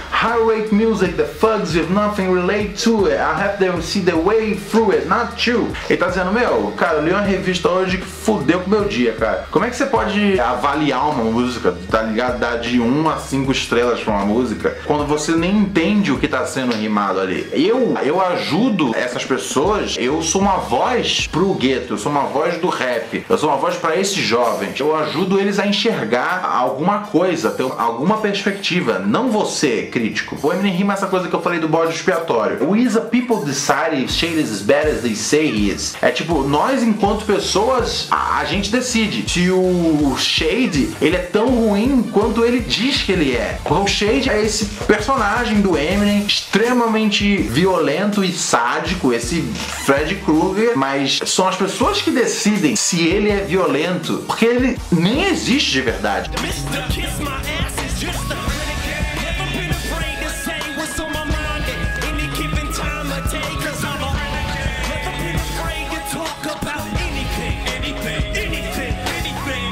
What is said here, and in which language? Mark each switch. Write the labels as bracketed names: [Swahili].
[English] High rate music, the thugs with nothing relate to it. I have to see the way through it, not you. [Portuguese] Ele tá dizendo, meu, cara, eu li uma revista hoje que fudeu com o meu dia, cara. Como é que você pode avaliar uma música, tá ligado? Dar de 1 a 5 estrelas pra uma música, quando você nem entende o que tá sendo rimado ali. Eu ajudo essas pessoas, eu sou uma voz pro gueto, eu sou uma voz do rap, eu sou uma voz pra esses jovens. Eu ajudo eles a enxergar alguma coisa, ter alguma perspectiva, não você, crítico. O Eminem rima essa coisa que eu falei do bode expiatório. [English] We as a people decide if shit is as bad as they say it is. [Portuguese] É tipo, nós enquanto pessoas, a gente decide se o Shade, ele é tão ruim quanto ele diz que ele é. O Shade é esse personagem do Eminem, extremamente violento e sádico, esse Freddy Krueger, mas são as pessoas que decidem se ele é violento, porque ele nem existe de verdade. [English] Mr. Kiss My Ass is just a renegade. Never been afraid to say what's on my mind at any given time of day, cause I'm a renegade. Never been afraid to talk about anything, anything, anything, anything.